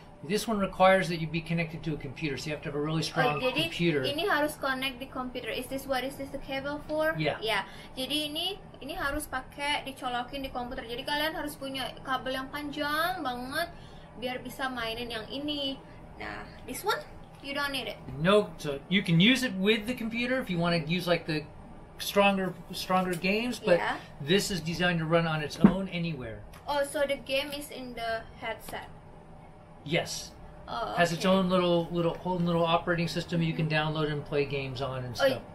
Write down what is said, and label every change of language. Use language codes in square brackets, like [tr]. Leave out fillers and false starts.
[en] This one requires that you be connected to a computer, so you have to have a really strong computer. [id] Ini harus [en] connect the computer. Is this what is this the cable for? Yeah. [id] Yeah. Jadi ini harus pakai dicolokin di komputer. Jadi kalian harus punya kabel yang panjang banget biar bisa mainin yang ini. [en] Nah, this one you don't need it. No, so you can use it with the computer if you want to use like the stronger games, but yeah. This is designed to run on its own anywhere. Oh, so the game is in the headset. Yes, oh, okay. Has its own little operating system you can download and play games on and stuff.